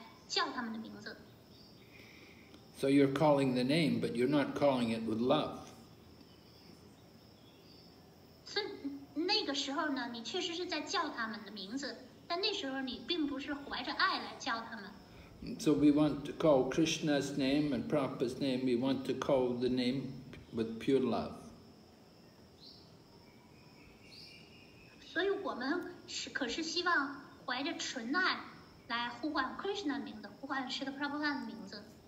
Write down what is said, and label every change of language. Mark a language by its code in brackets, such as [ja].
[zh] 就好像你的儿子他做了错事，你可能就很生气的来叫他们的名字。 [en] So you're calling the name, but you're not calling it with love. [zh] 所以那个时候呢，你确实是在叫他们的名字，但那时候你并不是怀着爱来叫他们。 [en] So we want to call Krishna's name and Prabhupada's name. We want to call the name with pure love. [zh] 所以我们可是希望怀着纯爱来呼唤 Krishna的名字，呼唤Srila